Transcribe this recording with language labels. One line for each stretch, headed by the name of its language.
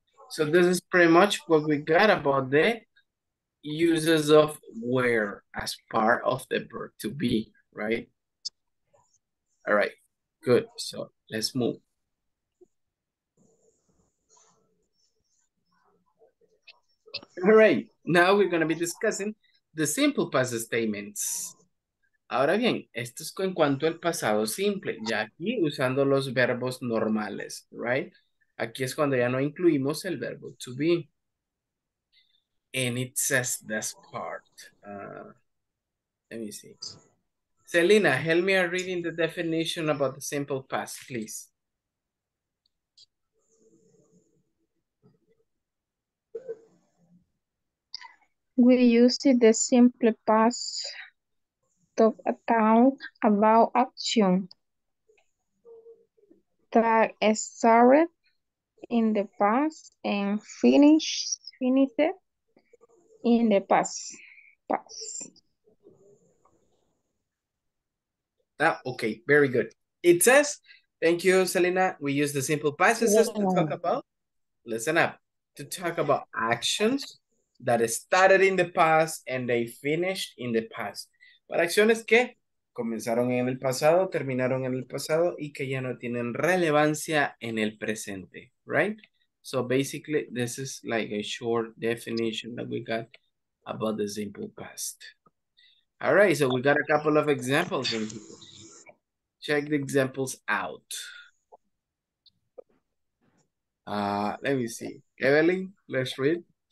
English: So this is pretty much what we got about the uses of where as part of the verb to be, right? All right, good. So let's move. All right, now we're going to be discussing the simple past statements.
Spanish: Ahora bien, esto es en cuanto al pasado simple, ya aquí usando los verbos normales, right? Aquí es cuando ya no incluimos el verbo to be.
English: And it says this part. Let me see. Selena, help me reading the definition about the simple past, please. We use the simple past to talk about action that started in the past and finished in the past. Ah, okay, very good. It says, thank you, Selena. We use the simple past to talk about, listen up, to talk about actions that started in the past and they finished in the past.
Spanish: Para acciones que comenzaron en el pasado, terminaron en el pasado y que ya no tienen relevancia en el presente, right?
English: So basically, this is like a short definition that we got about the simple past. All right, so we got a couple of examples in here. Check the examples out. Let me see. Evelyn, let's read.